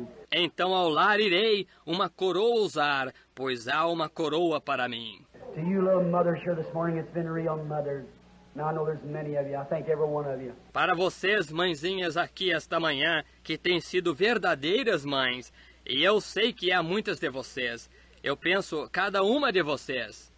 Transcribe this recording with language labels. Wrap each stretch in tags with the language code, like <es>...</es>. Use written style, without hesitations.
<pt>Então ao lar irei, uma coroa usar, pois há uma coroa para mim.</pt> <en>To you, little mothers here this morning, it's been real mothers. Now I know there's many of you. I thank every one of you.</en> <pt>Para vocês, mãezinhas aqui esta manhã, que têm sido verdadeiras mães, e eu sei que há muitas de vocês. Eu penso cada uma de vocês.</pt>